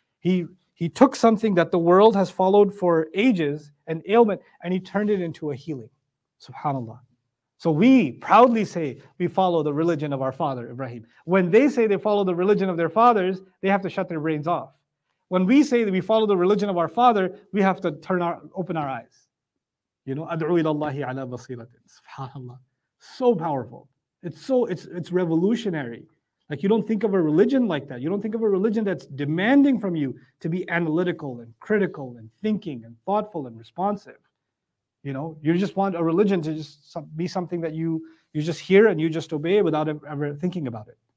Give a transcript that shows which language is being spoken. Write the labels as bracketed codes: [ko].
[en] He took something that the world has followed for ages, an ailment, and he turned it into a healing. SubhanAllah. So we proudly say we follow the religion of our father, Ibrahim. When they say they follow the religion of their fathers, they have to shut their brains off. When we say that we follow the religion of our father, we have to open our eyes. [ar] You know, أدعو إلى الله على بصيرة. [en] Subhanallah. So powerful. It's revolutionary. Like, you don't think of a religion like that. You don't think of a religion that's demanding from you to be analytical and critical and thinking and thoughtful and responsive. You know, you just want a religion to just be something that you just hear and you just obey without ever thinking about it.